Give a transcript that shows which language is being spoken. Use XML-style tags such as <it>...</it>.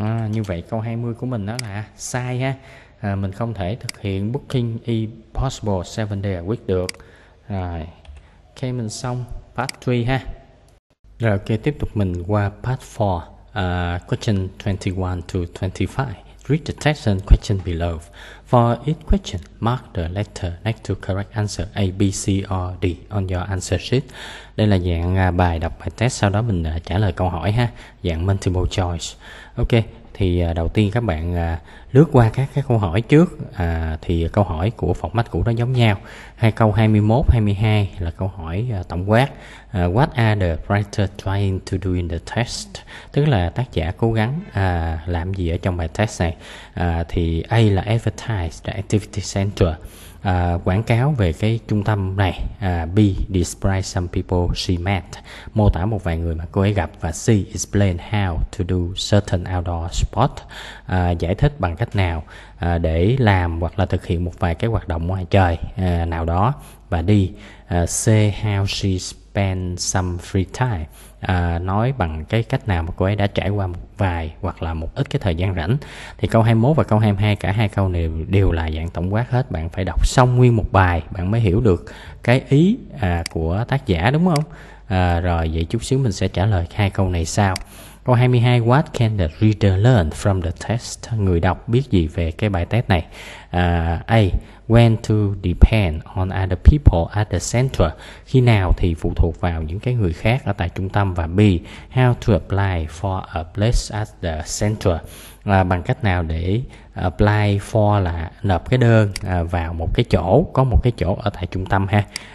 <vi>Như vậy câu 20 của mình đó là sai ha. Mình không thể thực hiện</vi> <en>booking impossible 7 days a week</en> <vi>được. Rồi, ok, mình xong part 3 ha. Rồi, ok, tiếp tục mình qua part 4.</vi> <en>Question 21-25. Read the text and question below. For each question, mark the letter next to correct answer A, B, C, or D on your answer sheet.</en> <vi>Đây là dạng bài đọc bài test, sau đó mình trả lời câu hỏi ha, dạng multiple choice. Ok, thì đầu tiên các bạn lướt qua các câu hỏi trước, thì câu hỏi của format cũ nó giống nhau. Hai câu 21, 22 là câu hỏi tổng quát.</vi> <en>What are the writer trying to do in the test?</en> <vi>Tức là tác giả cố gắng làm gì ở trong bài test này. Thì A là</vi> <en>advertise the activity center.</en> <vi>quảng cáo về cái trung tâm này. B,</vi> <en>describe some people she met,</en> <vi>mô tả một vài người mà cô ấy gặp. Và C,</vi> <en>explain how to do certain outdoor sport,</en> <vi>giải thích bằng cách nào để làm hoặc là thực hiện một vài cái hoạt động ngoài trời nào đó. Và D, C,</vi> <en>how she spend some free time,</en> <vi>nói bằng cái cách nào mà cô ấy đã trải qua một vài hoặc là một ít cái thời gian rảnh. Thì câu 21 và câu 22, cả hai câu này đều là dạng tổng quát hết. Bạn phải đọc xong nguyên một bài, bạn mới hiểu được cái ý của tác giả, đúng không? Rồi, vậy chút xíu mình sẽ trả lời hai câu này sau. Câu 22,</vi> <en>what can the reader learn from the test?</en> <vi>Người đọc biết gì về cái bài test này? A,</vi> <en>when to depend on other people at the center,</en> <vi>khi nào thì phụ thuộc vào những cái người khác ở tại trung tâm. Và B,</vi> <en>how to apply for a place at the center,</en> <vi>là bằng cách nào để</vi> <en>apply for,</en> <vi>là nộp cái đơn vào một cái chỗ, có một cái chỗ ở tại trung tâm ha.</vi>